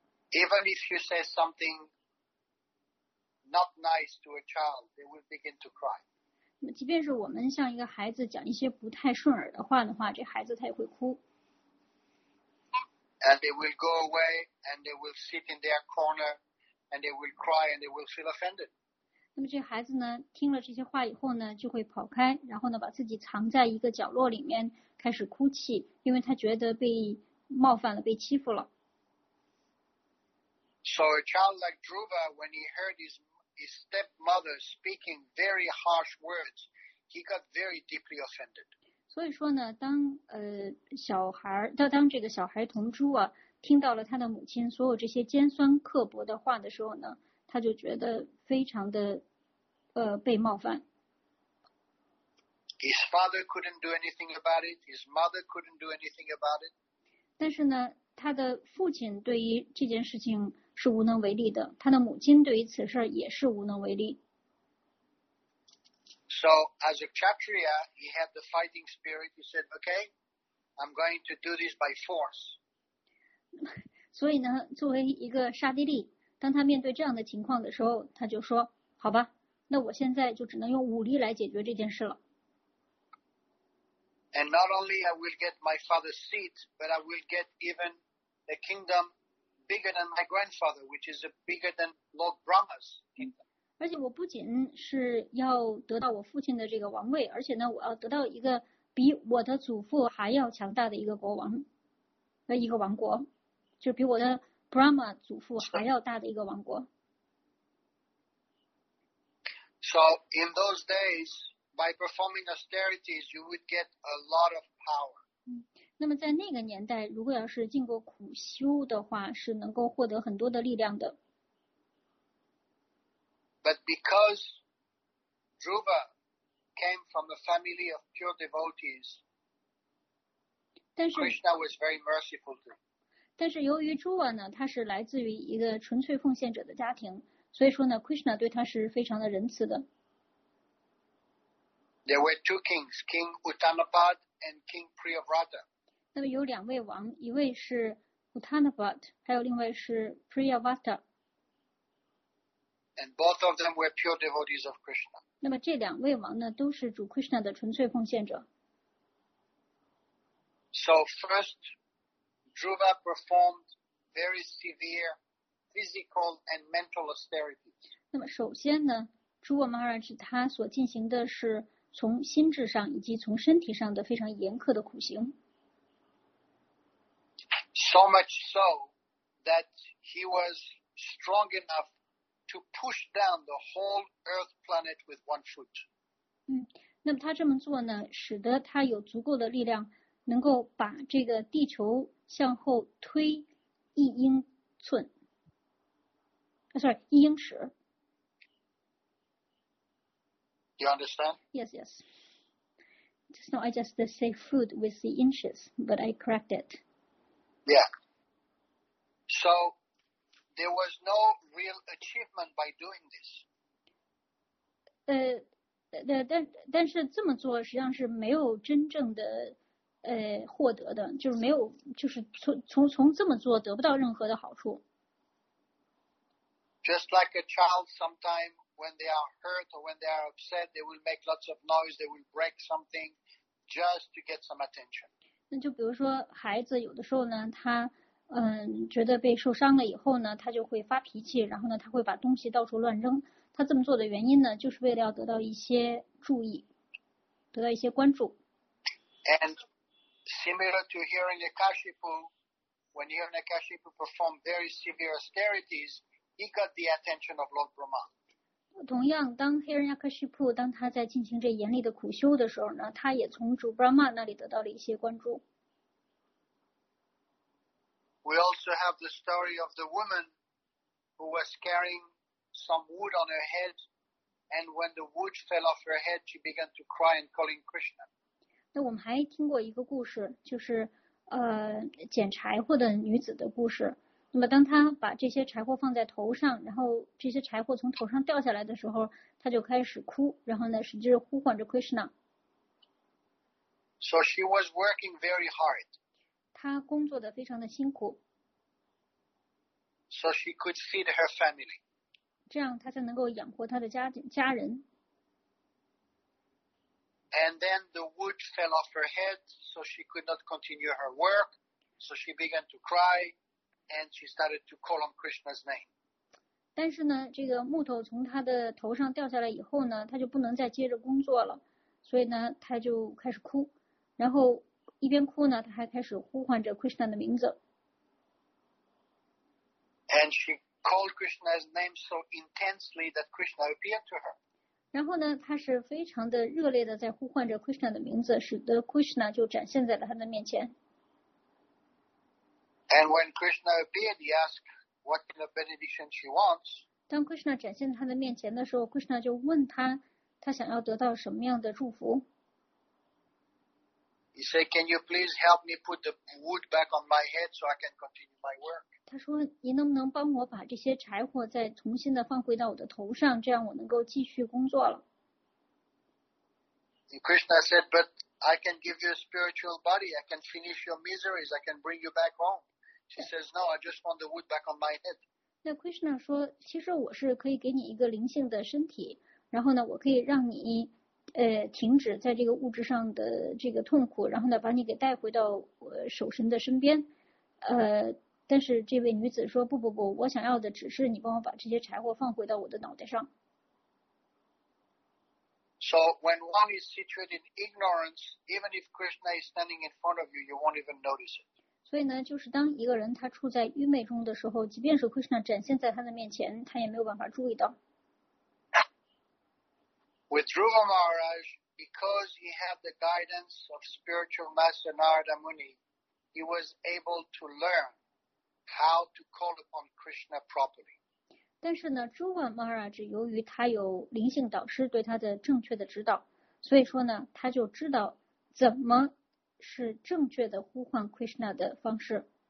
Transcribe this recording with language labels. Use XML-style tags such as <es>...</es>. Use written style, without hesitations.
<en>Even if you say something not nice to a child, they will begin to cry.</en> <zh>那即便是我们向一个孩子讲一些不太顺耳的话的话，这孩子他也会哭。</zh> <en>And they will go away, and they will sit in their corner, and they will cry, and they will feel offended.</en> <zh>那么这孩子呢，听了这些话以后呢，就会跑开，然后呢，把自己藏在一个角落里面，开始哭泣，因为他觉得被冒犯了，被欺负了。</zh> <en>So a child like Dhruva, when he heard his stepmother speaking very harsh words, he got very deeply offended.</en> <zh>所以说呢，当这个小孩童珠啊，听到了他的母亲所有这些尖酸刻薄的话的时候呢，他就觉得非常的被冒犯。</zh> <en>His father couldn't do anything about it. His mother couldn't do anything about it.</en> <zh>但是呢，他的父亲对于这件事情是无能为力的，他的母亲对于此事也是无能为力。</zh> <en>So as a Kshatriya, he had the fighting spirit. He said, "Okay, I'm going to do this by force."</en> <zh>所以呢，作为一个沙地利，当他面对这样的情况的时候，他就说：“好吧，那我现在就只能用武力来解决这件事了。”</zh> <en>And not only I will get my father's seat, but I will get even a kingdom bigger than my grandfather, which is bigger than Lord Brahma's kingdom.</en> <zh>而且我不仅是要得到我父亲的这个王位，而且呢，我要得到一个比我的祖父还要强大的一个国王，一个王国。就比我的 Brahma 祖父还要大的一个王国。</zh> <en>So in those days, by performing austerities, you would get a lot of power.</en> <zh>那么在那个年代，如果要是经过苦修的话，是能够获得很多的力量的。</zh> <en>But because Dhruva came from a family of pure devotees, Krishna was very merciful to him.</en> <zh>但是由于朱瓦呢，他是来自于一个纯粹奉献者的家庭，所以说呢 ，Krishna 对他是非常的仁慈的。</zh> <en>There were two kings, King Uttanapad and King Priyavrata.</en> <zh>那么有两位王，一位是 Uttanapad， 还有另外是 Priyavrata。</zh> <en>And both of them were pure devotees of Krishna.</en> <zh>那么这两位王呢，都是主 Krishna 的纯粹奉献者。</zh> <en>So first. Dhruva performed very severe physical and mental austerities.</en> <zh>那么首先呢，朱瓦马哈拉致他所进行的是从心智上以及从身体上的非常严苛的苦行。</zh> <en>So much so that he was strong enough to push down the whole Earth planet with one foot.</en> <zh>那么他这么做呢，使得他有足够的力量，能够把这个地球向后推一英寸，一英尺。</zh> <en>You understand? Yes, yes. Just now I just say foot with the inches, but I correct it. Yeah. So there was no real achievement by doing this.</en> <zh>但是这么做实际上是没有真正的。获得的就是没有，就是从这么做得不到任何的好处。</zh> <en>Just like a child, sometimes when they are hurt or when they are upset, they will make lots of noise, they will break something just to get some attention.</en> <zh>那就比如说孩子有的时候呢，他觉得被受伤了以后呢，他就会发脾气，然后呢他会把东西到处乱扔。他这么做的原因呢，就是为了要得到一些注意，得到一些关注。</zh> <en>And similar to hearing Akashipu, when hearing Akashipu perform very severe austerities, he got the attention of Lord Brahma.</en> <zh>同样，当</zh> <en>hearing</en> <zh>Akashipu 当他在进行这严厉的苦修的时候呢，他也从主 Brahma 那里得到了一些关注。</zh> <en>We also have the story of the woman who was carrying some wood on her head, and when the wood fell off her head, she began to cry and calling Krishna.</en> <zh>那我们还听过一个故事，就是捡柴火的女子的故事。那么当她把这些柴火放在头上，然后这些柴火从头上掉下来的时候，她就开始哭，然后呢使劲呼唤着 Krishna。</zh> <en>So she was working very hard.</en> <zh>她工作的非常的辛苦。</zh> <en>So she could feed her family.</en> <zh>这样她才能够养活她的家人。</zh> <en>And then the wood fell off her head, so she could not continue her work. So she began to cry, and she started to call on Krishna's name.</en> <zh>但是呢，这个木头从她的头上掉下来以后呢，她就不能再接着工作了，所以呢，她就开始哭。然后一边哭呢，她还开始呼唤着 Krishna 的名字。</zh> <en>And she called Krishna's name so intensely that Krishna appeared to her.</en> <zh>然后呢，他是非常的热烈的在呼唤着 Krishna 的名字，使得 Krishna 就展现在了他的面前。</zh> <en>And when Krishna appeared, he asked what kind of benediction she wants.</en> <zh>当 Krishna 展现在他的面前的时候 ，Krishna 就问他，他想要得到什么样的祝福</zh> <en>He said, can you please help me put the wood back on my head so I can continue my work?</en> <zh>他说你能不能帮我把这些柴火再重新的放回到我的头上，这样我能够继续工作了。</zh> <en>And Krishna said, but I can give you a spiritual body. I can finish your miseries. I can bring you back home. She says, no, I just want the wood back on my head.</en> <zh>那 Krishna 说其实我是可以给你一个灵性的身体，然后呢我可以让你停止在这个物质上的这个痛苦，然后呢把你给带回到守神的身边。但是这位女子说不不不，我想要的只是你帮我把这些柴火放回到我的脑袋上。</zh> <en>So when one is situated in ignorance, even if Krishna is standing in front of you, you won't even notice it.</en> <zh>所以呢就是当一个人他处在愚昧中的时候，即便是 Krishna 展现在他的面前，他也没有办法注意到。</zh> <en>With Dhruva Maharaj, because he had the guidance of spiritual master Narada Muni, he was able to learn how to call upon Krishna properly.</en> <zh>但是呢 Dhruva Maharaj 由于他有灵性导师对他的正确的指导，所以说呢他就知道怎么是正确的呼唤 Krishna 的方式。</zh>